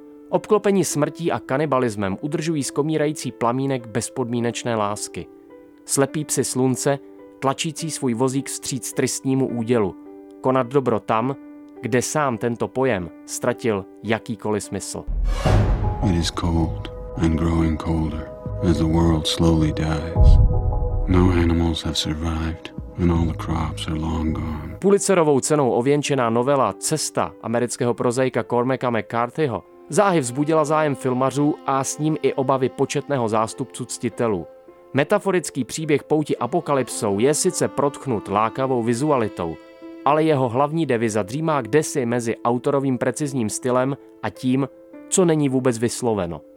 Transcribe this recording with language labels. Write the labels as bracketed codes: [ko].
[cs] Obklopení smrtí a kanibalismem udržují skomírající plamínek bezpodmínečné lásky. Slepí psi slunce, tlačící svůj vozík vstříc tristnímu údělu. Konat dobro tam, kde sám tento pojem ztratil jakýkoliv smysl. [en] It is cold and growing colder as the world slowly dies. No animals have survived and all the crops are long gone. [cs] Pulitzerovou cenou ověnčená novela Cesta amerického prozaika Cormaca McCarthyho záhy vzbudila zájem filmařů a s ním i obavy početného zástupcu ctitelů. Metaforický příběh pouti apokalypsou je sice protchnut lákavou vizualitou, ale jeho hlavní deviza dřímá kdesi mezi autorovým precizním stylem a tím, co není vůbec vysloveno.